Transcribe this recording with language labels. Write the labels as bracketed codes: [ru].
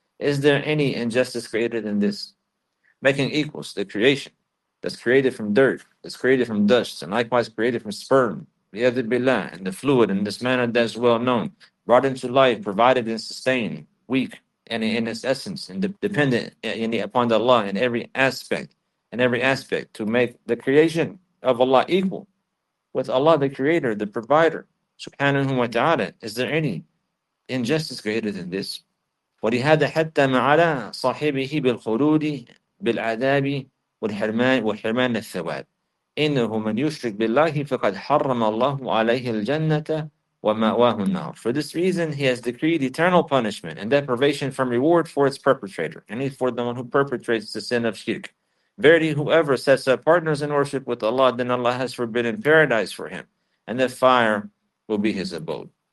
[en] Is there any injustice greater than this? Making equals the creation that's created from dirt, that's created from dust, and likewise created from sperm, بِيَذِبِ and the fluid in this manner that's well known, brought into life, provided and sustained, weak and in its essence, and dependent upon the Allah in every aspect, to make the creation of Allah equal with Allah, the creator, the provider, subhanahu wa ta'ala. Is there any injustice greater than this? [ar] وَلِهَذَا حَتَّى مَعَلَى صَاحِبِهِ بِالْخُلُودِ بِالْعَذَابِ والحرمان الثواب إنه من يشرك بالله فقد حرم الله عليه الجنة ومأواه النار. [en] For this reason, he has decreed eternal punishment and deprivation from reward for its perpetrator, and for the one who perpetrates the sin of shirk. Verily, whoever sets up partners in worship with Allah, then Allah has forbidden paradise for him, and the fire will be his abode.